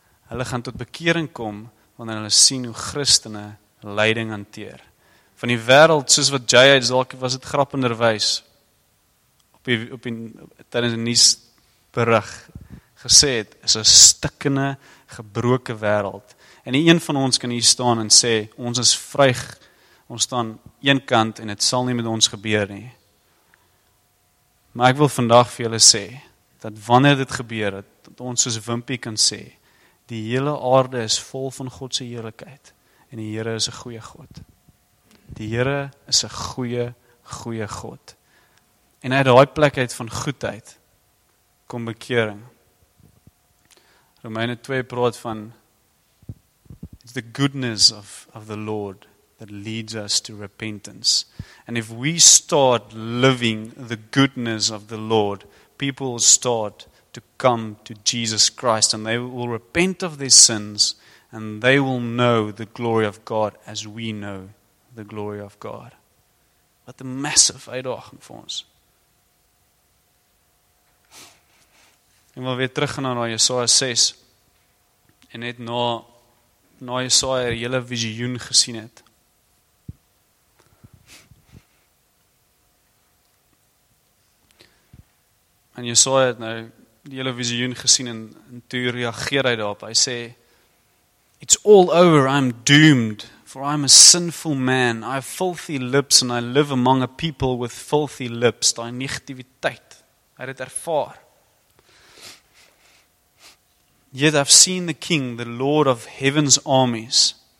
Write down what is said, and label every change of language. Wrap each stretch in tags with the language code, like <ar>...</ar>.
<af>Hulle gaan tot bekering kom, wanneer hulle sien hoe Christene lyding hanteer. Van die wêreld, soos wat J.H. dalk was het grappenderwys, tydens die nuusberig gesê het, is 'n stikkende, gebroke wêreld. En nie een van ons kan hier staan en sê, ons is vryg, ons staan een kant en het sal nie met ons gebeur nie. Maar ek wil vandag vir julle sê, dat wanneer dit gebeur het, dat ons soos Wimpie kan sê, die hele aarde is vol van Godse heerlikheid en die Here is 'n goeie God. Die Here is 'n goeie, goeie God. En uit daai plek uit van goedheid kom bekering. Romeine 2 praat van</af> <en>it's the goodness of the Lord that leads us to repentance. And if we start living the goodness of the Lord, people will start to come to Jesus Christ and they will repent of their sins and they will know the glory of God as we know the glory of God.</en> <af>Wat 'n massive uitdaging vir ons. Ek wil weer terug na Jesaja 6 en net na Jesaja die hele visioen gesien het. En Jesaja het nou die hele visioen gesien en toe reageer hy daarop. Hy sê,</af> <en>it's all over, I'm doomed, for I'm a sinful man. I have filthy lips and I live among a people with filthy lips.</en> <af>Daai negativiteit, hy het ervaar.</af> <en>Yet I've seen the King, the Lord of heaven's armies.</en>